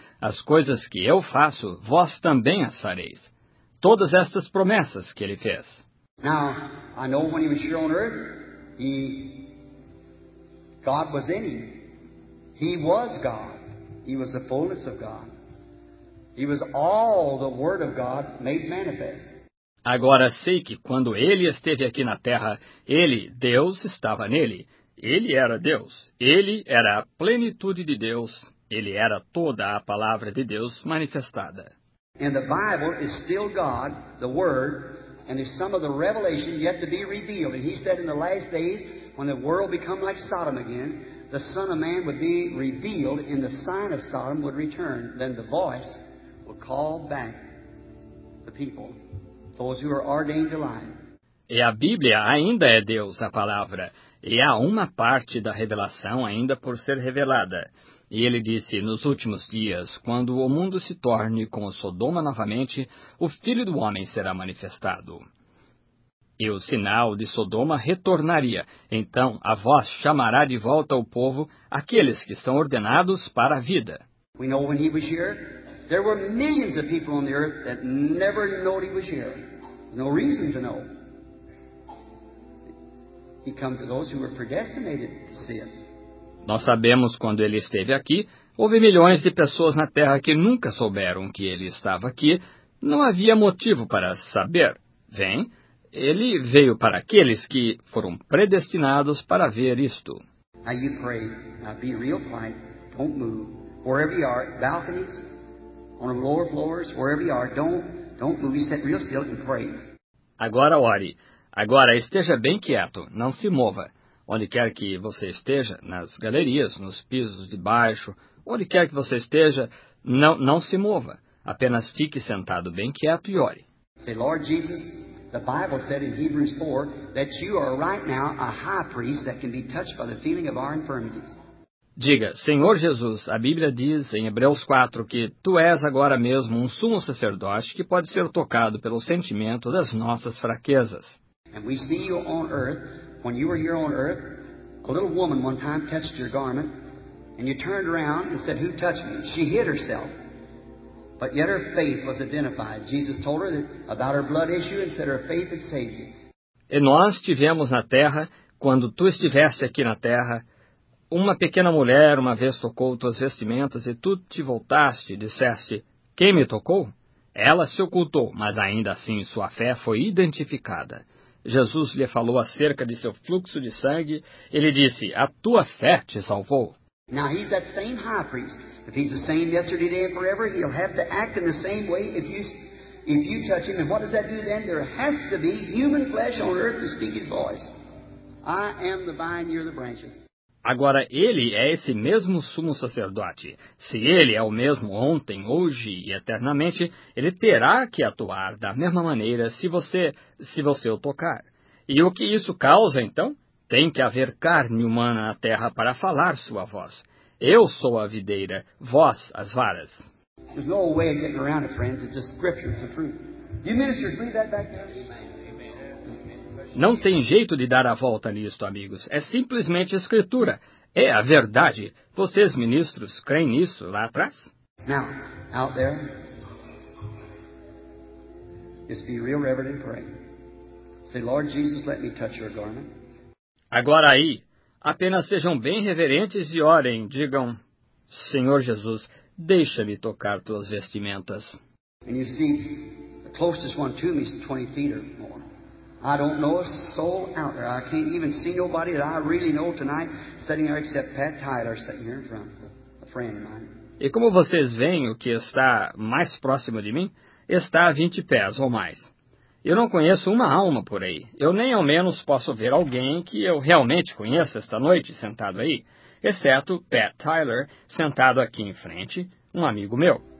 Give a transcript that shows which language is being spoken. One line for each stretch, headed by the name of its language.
Portuguese: As coisas que eu faço, vós também as fareis. Todas estas promessas que ele fez.
English: Now, I know when he was here on earth, God was in him. He was God. He was the fullness of God. He was all the Word of God made manifest.
Portuguese: Agora sei que quando ele esteve aqui na terra, ele, Deus, estava nele. Ele era Deus. Ele era a plenitude de Deus. Ele era toda a palavra de Deus manifestada.
English: And the Bible is still God, the Word, and there's some of the revelation yet to be revealed. And he said in the last days, when the world become like Sodom again, the Son of Man would be revealed and the sign of Sodom would return. Then the voice would call back the people. Those who are ordained to life.
Portuguese: E a Bíblia ainda é Deus, a palavra. E há uma parte da revelação ainda por ser revelada. E ele disse, nos últimos dias, quando o mundo se torne como Sodoma novamente, o Filho do Homem será manifestado. E o sinal de Sodoma retornaria. Então a voz chamará de volta ao povo aqueles que são ordenados para a vida.
English: We know when he was here. There were millions of people on the earth that never knew he was here. No reason to know. He came to those who were predestinated to see it.
Portuguese: Nós sabemos quando ele esteve aqui, houve milhões de pessoas na terra que nunca souberam que ele estava aqui. Não havia motivo para saber. Vem, ele veio para aqueles que foram predestinados para ver isto.
English: Now you pray. Now be real quiet. Don't move. Wherever you are, balconies. On the lower floors, wherever you are, don't move. Sit real still and pray.
Portuguese: Agora ore. Agora esteja bem quieto. Não se mova. Onde quer que você esteja, nas galerias, nos pisos de baixo, onde quer que você esteja, não se mova. Apenas fique sentado bem quieto e ore.
English: Say, Lord Jesus, the Bible said in Hebrews 4 that you are right now a high priest that can be touched by the feeling of our infirmities.
Portuguese: Diga, Senhor Jesus, a Bíblia diz em Hebreus 4 que tu és agora mesmo um sumo sacerdote que pode ser tocado pelo sentimento das nossas fraquezas.
English: And we see you on earth, when you were here on earth, a little woman one time touched your garment, and you turned around and said, who touched me? She hid herself, but yet her faith was identified. Jesus told her that, about her blood issue and said her faith had saved you.
Portuguese: E nós tivemos na terra, quando tu estiveste aqui na terra, uma pequena mulher uma vez tocou tuas vestimentas e tu te voltaste e disseste, quem me tocou? Ela se ocultou, mas ainda assim sua fé foi identificada. Jesus lhe falou acerca de seu fluxo de sangue. Ele disse, a tua fé te salvou.
English: Now he's that same high priest. If he's the same yesterday, today and forever, he'll have to act in the same way if you touch him. And what does that do then? There has to be human flesh on earth to speak his voice. I am the vine, you're the branches.
Portuguese: Agora, ele é esse mesmo sumo sacerdote. Se ele é o mesmo ontem, hoje e eternamente, ele terá que atuar da mesma maneira se você o tocar. E o que isso causa, então? Tem que haver carne humana na terra para falar sua voz. Eu sou a videira, vós as varas.
English: There's no way of getting around it, friends. It's a scripture, it's a truth. You ministers, leave that back there.
Portuguese: Não tem jeito de dar a volta nisto, amigos. É simplesmente a Escritura. É a verdade. Vocês, ministros, creem nisso lá atrás?
English: Now, out there, just be real reverent and pray. Say, Lord Jesus, let me touch your garment.
Portuguese: Agora aí, apenas sejam bem reverentes e orem. Digam, Senhor Jesus, deixa-me tocar tuas vestimentas.
English: And you see, the closest one to me is 20 feet or more. I don't know a soul out there. I can't even see nobody that I really know tonight sitting there except Pat Tyler sitting here in front, a friend of mine.
Portuguese: E como vocês veem, o que está mais próximo de mim está a 20 pés ou mais. Eu não conheço uma alma por aí. Eu nem ao menos posso ver alguém que eu realmente conheça esta noite sentado aí, exceto Pat Tyler sentado aqui em frente, um amigo meu.